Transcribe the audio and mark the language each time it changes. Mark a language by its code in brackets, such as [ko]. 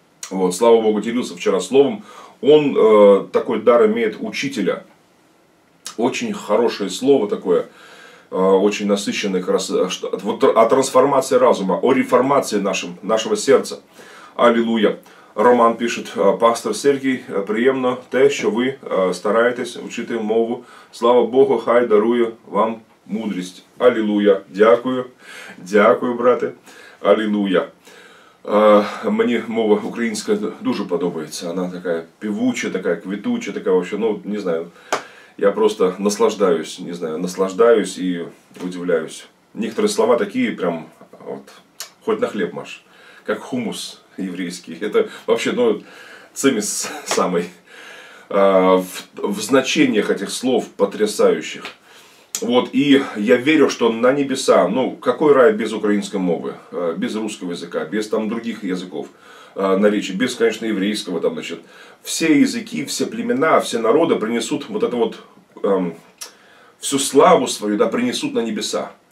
[ru] Вот, слава Богу, делился вчера словом. Он такой дар имеет учителя. Очень хорошее слово такое, очень насыщенное, как раз, вот, о трансформации разума, о реформации нашего сердца. Аллилуйя. Роман пишет, [uk] пастор Сергій, приємно те, що ви стараєтесь вчити мову. Слава Богу, хай дарує вам мудрість. Аллилуйя. Дякую. Дякую, брати. Аллилуйя. Мені мова українська дуже подобається. Вона така півуча, така квітуча, така вообще, ну, не знаю. [ru] Я просто наслаждаюсь, не знаю, наслаждаюсь і удивляюсь. [uk] Некоторі слова такі прям от хоть на хліб маш, як хумус єврейський. Це вообще, ну, цимис самий. [ru] В значеннях этих слов потрясающих. Вот, и я верю, что на небеса, ну, какой рай без украинской мовы, без русского языка, без там других языков наречий, без, конечно, еврейского там, значит, все языки, все племена, все народы принесут вот это вот, всю славу свою, да, принесут на небеса.